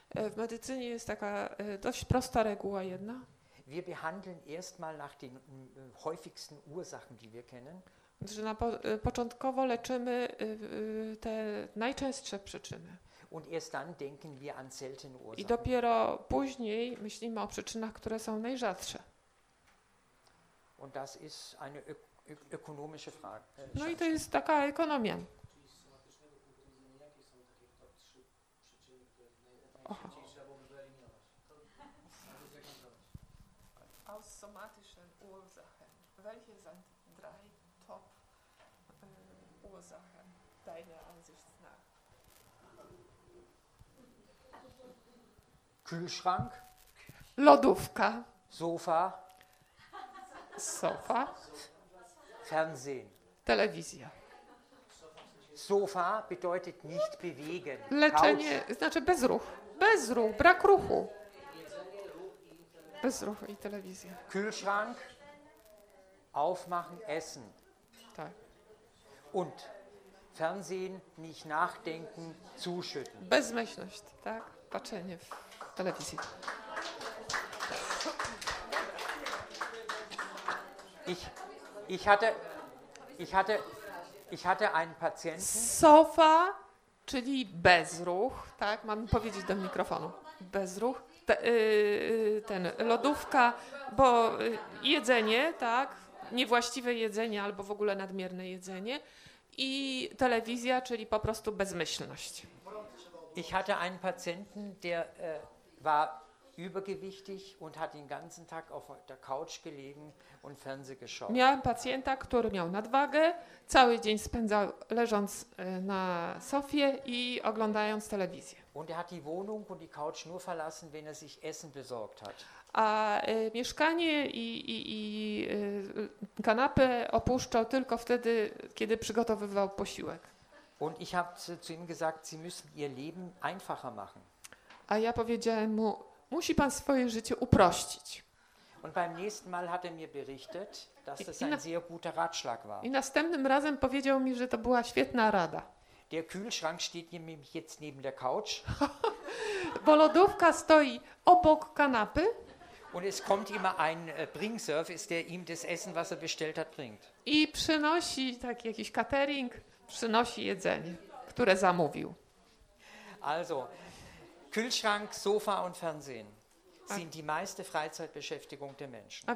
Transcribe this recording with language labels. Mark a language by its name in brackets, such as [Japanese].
[Polish] W medycynie jest taka dość prosta reguła jedna. [German] Wir behandeln erstmal nach den häufigsten Ursachen, die wir kennen. [Polish] Że początkowo leczymy te najczęstsze przyczyny. [German] Und erst dann denken wir an seltene Ursachen. [Polish] I dopiero później myślimy o przyczynach, które są najrzadsze. [German] Und das ist eine ökonomische Frage. [Polish] No i to jest taka ekonomia. Czyli z somatycznego punktu widzenia, jakie są takie top 3 przyczyny, które najczęściej trzeba by wyeliminować? [German] Aus somatischen Ursachen. Welche sind drei top Ursachen deiner Ansicht nach? Kühlschrank. [Polish] Lodówka. [German] Sofa. [Polish] Sofa. [German] Fernsehen. [Polish] Telewizja. [German] Sofa bedeutet nicht bewegen. [Polish] Leczenie, znaczy bezruch. Bezruch, brak ruchu. Bezruch i telewizja. [German] Kühlschrank. Aufmachen, essen. [Polish] Tak. [German] Und Fernsehen, nicht nachdenken, zuschütten. [Polish] Bezmyślność, tak? Patrzenie w telewizji. [German] Ich hatte einen Patienten. [Polish] Sofa, czyli bezruch, tak? Mam powiedzieć do mikrofonu. Bezruch. Ten lodówka, bo jedzenie, tak? Niewłaściwe jedzenie albo w ogóle nadmierne jedzenie. I telewizja, czyli po prostu bezmyślność. [German] Ich hatte einen Patienten, der war übergewichtig und hat den ganzen Tag auf der Couch gelegen und Fernseh geschaut. [Polish] Miałem pacjenta, który miał nadwagę, cały dzień spędzał leżąc na sofie i oglądając telewizję. [German] Und er hat die Wohnung und die Couch nur verlassen, wenn er sich Essen besorgt hat. [Polish] A mieszkanie i kanapę opuszczał tylko wtedy, kiedy przygotowywał posiłek. [German] Und ich habe zu ihm gesagt, Sie müssen Ihr Leben einfacher machen. [Polish] A ja powiedziałem mu, musi pan swoje życie uprościć. [German] Und beim nächsten Mal hat mir berichtet, dass das ein sehr guter Ratschlag war. [Polish] I następnym razem powiedział mi, że to była świetna rada. [German] Der Kühlschrank steht nämlich jetzt neben der Couch. [Polish] Bo lodówka stoi obok kanapy. [German] Und es kommt immer ein Bringservice, der ihm das Essen, was er bestellt hat, bringt. [Polish] I przynosi tak jakiś catering, przynosi jedzenie, które zamówił. [German] Also, Kühlschrank, Sofa und Fernsehen sind die meiste Freizeitbeschäftigung der Menschen.